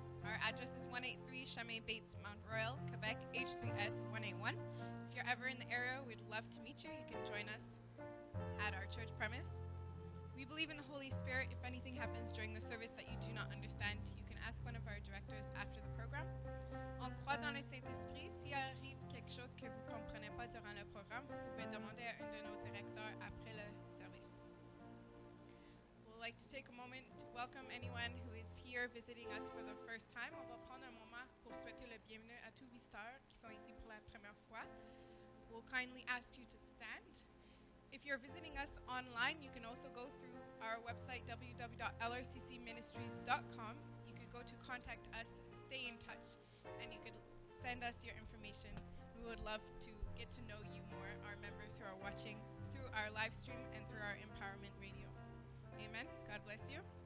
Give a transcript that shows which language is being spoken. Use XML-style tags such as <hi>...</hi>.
<en>Our address is 183 Chemin Bates, Mount Royal, Quebec, H3S181. If you're ever in the area, we'd love to meet you. You can join us at our church premise. We believe in the Holy Spirit. If anything happens during the service that you do not understand, you can ask one of our directors after the program.</en> <fr>On croit dans le Saint-Esprit. S'il arrive quelque chose que vous ne comprenez pas durant le programme, vous pouvez demander à un de nos directeurs après le service.</fr> <en>Like to take a moment to welcome anyone who is here visiting us for the first time.</en> <fr>On va prendre un moment pour souhaiter le bienvenue à tous visiteurs qui sont ici pour la première fois.</fr> <en>We'll kindly ask you to stand. If you're visiting us online, you can also go through our website www.lrccministries.com. You could go to contact us, stay in touch, and you could send us your information. We would love to get to know you more, our members who are watching through our live stream and through our empowerment radio. Amen. God bless you.</en>